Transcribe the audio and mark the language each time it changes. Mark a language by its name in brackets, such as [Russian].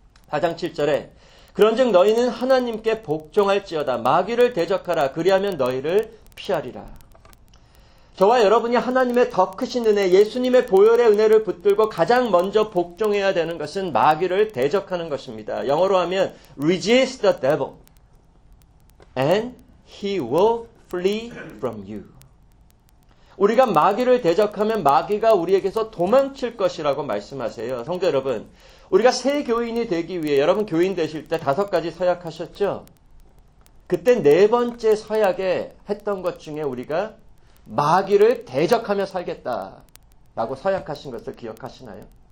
[Korean] 4장 7절에 그런즉 너희는 하나님께 복종할지어다. 마귀를 대적하라. 그리하면 너희를 피하리라. 저와 여러분이 하나님의 더 크신 은혜, 예수님의 보혈의 은혜를 붙들고 가장 먼저 복종해야 되는 것은 마귀를 대적하는 것입니다. 영어로 하면 [English] resist the devil and he will flee from you. [Korean] 우리가 마귀를 대적하면 마귀가 우리에게서 도망칠 것이라고 말씀하세요. 성도 여러분, 우리가 새 교인이 되기 위해 여러분 교인 되실 때 다섯 가지 서약하셨죠? 그때 네 번째 서약에 했던 것 중에 우리가 마귀를 대적하며 살겠다라고 서약하신 것을 기억하시나요?